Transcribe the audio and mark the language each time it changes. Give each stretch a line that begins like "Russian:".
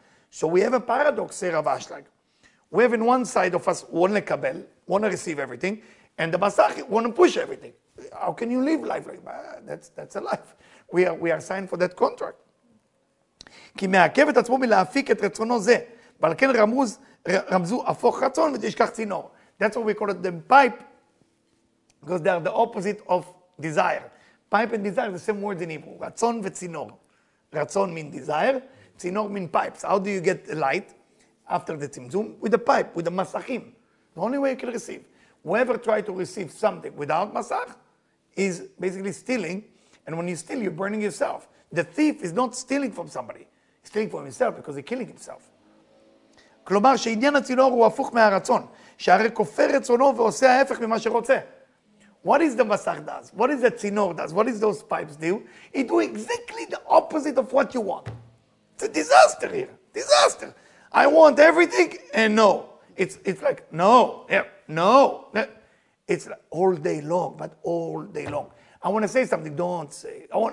English: So we have a paradox here of Ashlag. We have in one side of us want to kabel, want to receive everything, and the basach want to push everything. How can you live life like that? That's a life. We are signed for that contract.
Hebrew: כי מעכב את עצמו מלהפיק את רצונו זה, ועל כן רמזו הפוך רצון ותשכח צינור.
English: That's what we call it the pipe, because they are the opposite of desire. Pipe and desire, the same words in Hebrew, רצון וצינור. רצון mean desire, צינור mean pipes. How do you get the light after the צמצום? With the pipe, with the מסכים. The only way you can receive. Whoever try to receive something without מסך is basically stealing, and when you steal, you're burning yourself. The thief is not stealing from somebody. He's stealing from himself because he's killing himself.
Hebrew: כלומר, שעניין הצינור הוא הפוך מהרצון, שהרי כופר רצונו ועושה ההפך ממה שרוצה.
English: What is the masach does? What is the tzinor does? What is those pipes do? It do exactly the opposite of what you want. It's a disaster here. Disaster. I want everything and no. It's like, no. Yeah, no. It's like all day long, but all day long. I want to say something. Don't say.